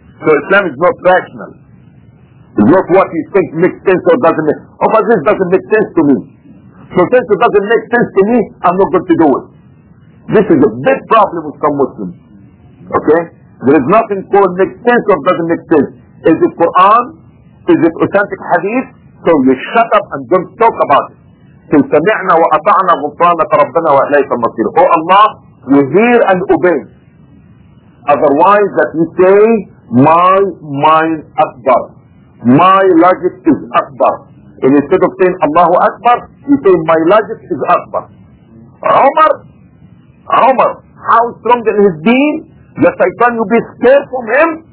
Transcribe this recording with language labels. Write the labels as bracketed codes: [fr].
[en] So Islam is not rational. It's not what you think makes sense or doesn't make sense. Oh, but this doesn't make sense to me. So since it doesn't make sense to me, I'm not going to do it. This is a big problem with some Muslims. Okay? There is nothing called makes sense or doesn't make sense. Is it Quran? Is it authentic hadith? So you shut up and don't talk about it. Till [ar] سَمِعْنَا وَأَطَعْنَا غُفْرَانَكَ رَبَّنَا وَإِلَيْكَ الْمَصِيرُ. [en] Oh Allah, you hear and obey. Otherwise that you say, my mind akbar. My logic is akbar. And instead of saying Allahu akbar, you say my logic is akbar. Umar, how strong in his deen, the shaitan will be scared from him?